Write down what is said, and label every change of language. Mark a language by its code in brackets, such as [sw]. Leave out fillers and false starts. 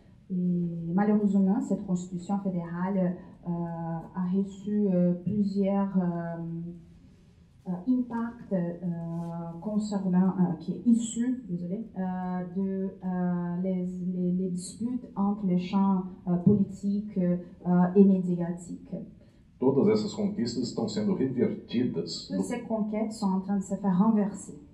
[fr] E, malheureusement, cette constitution fédérale a reçu plusieurs impacts concernant qui est issu, désolé, de les disputes entre les champs politiques et médiatiques. [pt] Todas essas conquistas estão sendo revertidas. [fr] Toutes ces conquêtes sont en train de se faire renverser.